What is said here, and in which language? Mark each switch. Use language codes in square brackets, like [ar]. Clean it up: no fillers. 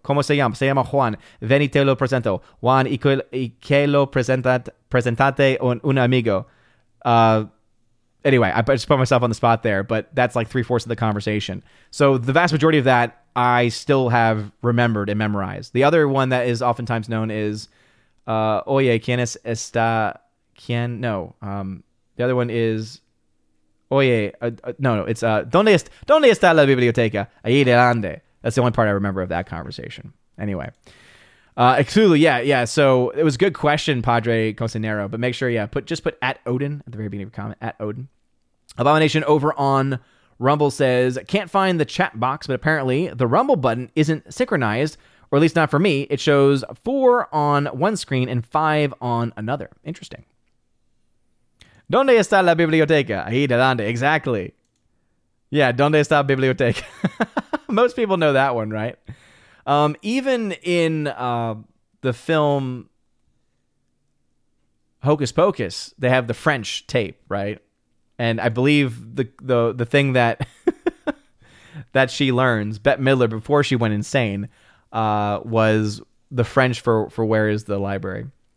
[es] ¿Cómo se llama? Se llama Juan. Ven y te lo presento. Juan, ¿y que lo presentate un amigo? [en] Anyway, I just put myself on the spot there, but that's like 3/4 of the conversation. So the vast majority of that I still have remembered and memorized. The other one that is oftentimes known is, [es] oye, ¿quién es esta? ¿Quién? No. [en] The other one is, oye, it's, [es] ¿dónde está la biblioteca? Ahí delante. [en] That's the only part I remember of that conversation. Anyway. Exulu, yeah. So it was a good question, Padre Cosinero. But make sure, put at Odin at the very beginning of your comment, at Odin. Abomination over on Rumble says, can't find the chat box, but apparently the Rumble button isn't synchronized or at least not for me. It shows 4 on one screen and 5 on another. Interesting. [es] ¿Dónde está la biblioteca? Ahí delante. [en] Exactly. Yeah, [es] ¿dónde está la biblioteca? [en] Most people know that one, right? Even in the film Hocus Pocus, they have the French tape, right? And I believe the thing that that she learns, Bette Midler, before she went insane, was the French for where is the library.